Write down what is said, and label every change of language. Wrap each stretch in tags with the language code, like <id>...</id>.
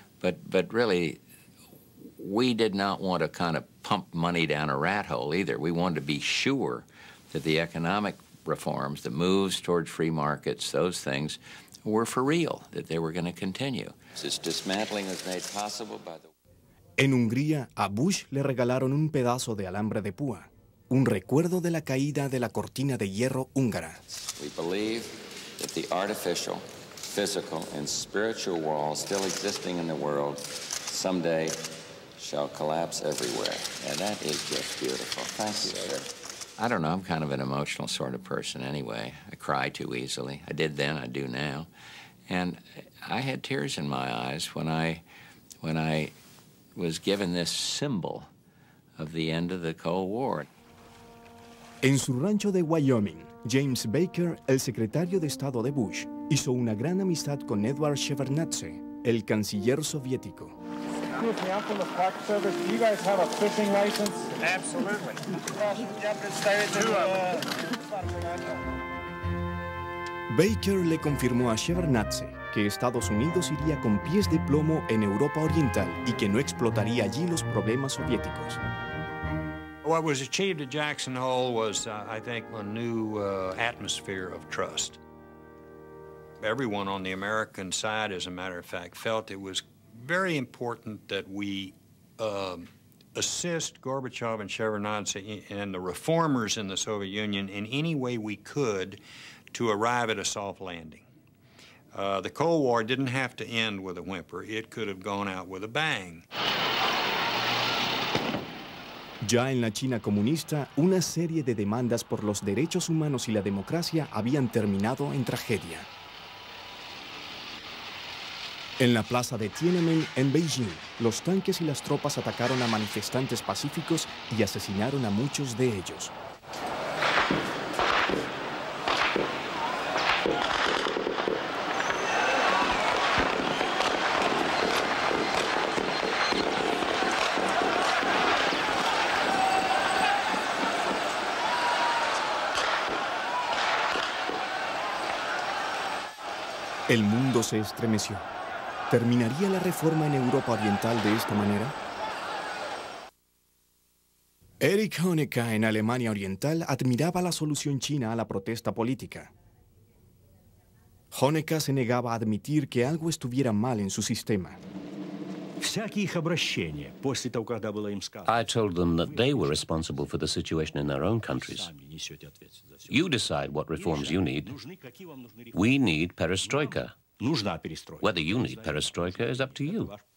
<en>But really, we did not want to kind of pump money down a rat hole either. We wanted to be sure that the economic reforms, the moves towards free markets, those things, were for real, that they were going to continue. This dismantling is made possible by the...</en> <es>En Hungría, a Bush le regalaron un pedazo de alambre de púa, un recuerdo de la caída de la cortina de hierro húngara.</es> <en>We believe that the artificial, physical and spiritual walls still existing in the world someday shall collapse everywhere. And that is just beautiful. Thank you, sir. I don't know, I'm kind of an emotional sort of person anyway. I cry too easily. I did then, I do now. And I had tears in my eyes when I when I was given this symbol of the end of the Cold War.</en> <es>En su rancho de Wyoming, James Baker, el secretario de Estado de Bush, hizo una gran amistad con Edward Shevardnadze, el canciller soviético.</es> <en>Excuse me, I'm from the Park Service. Do you guys have a fishing license? Absolutely.</en> <es>Baker le confirmó a Shevardnadze que Estados Unidos iría con pies de plomo en Europa Oriental y que no explotaría allí los problemas soviéticos.</es> <en>What was achieved at Jackson Hole was, I think, a new atmosphere of trust. Everyone on the American side, as a matter of fact, felt it was very important that we assist Gorbachev and Shevardnadze and the reformers in the Soviet Union in any way we could to arrive at a soft landing. The Cold War didn't have to end with a whimper. It could have gone out with a bang.</en> <es>Ya en la China comunista, una serie de demandas por los derechos humanos y la democracia habían terminado en tragedia. En la plaza de Tiananmen, en Beijing, los tanques y las tropas atacaron a manifestantes pacíficos y asesinaron a muchos de ellos. El mundo se estremeció. ¿Terminaría la reforma en Europa Oriental de esta manera? Erich Honecker en Alemania Oriental admiraba la solución china a la protesta política. Honecker se negaba a admitir que algo estuviera mal en su sistema.</es> <en>I told them that they were responsible for the situation in their own countries. You decide what reforms you need. We need perestroika. Whether you need perestroika is up to you.</en>